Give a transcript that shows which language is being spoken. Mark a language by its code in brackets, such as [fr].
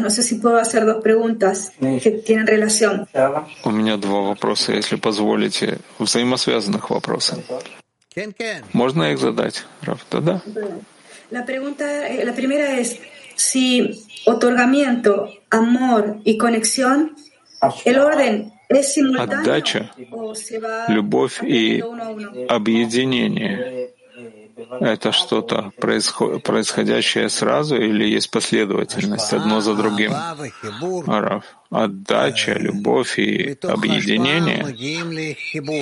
[es] No sé si puedo hacer dos preguntas que tienen relación. [ru] У меня два вопроса, если позволите, взаимосвязанных вопроса. Можно их задать, Раф? Да, да. [es] La primera es si otorgamiento, amor y conexión, el orden es simultáneo. [ru] Отдача, любовь и объединение. Это что-то происходящее сразу или есть последовательность одно за другим? Арав. Отдача, любовь и объединение.